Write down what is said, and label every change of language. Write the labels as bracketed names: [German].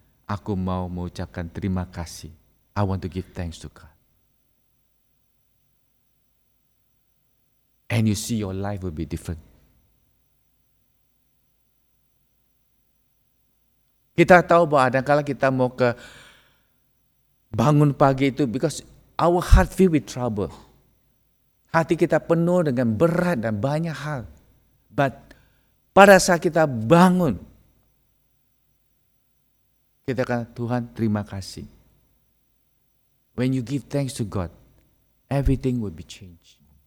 [Indonesian] Aku mau mengucapkan terima kasih. [English] I want to give thanks to God. And you see your life will be different. [Indonesian] Kita tahu bahwa kadang-kadang kita mau ke bangun pagi itu [English] because our heart filled with trouble. [Indonesian] Hati kita penuh dengan berat dan banyak hal. But pada saat kita bangun, kita akan, Tuhan, terima kasih. [English] When you give thanks to God, everything will be changed.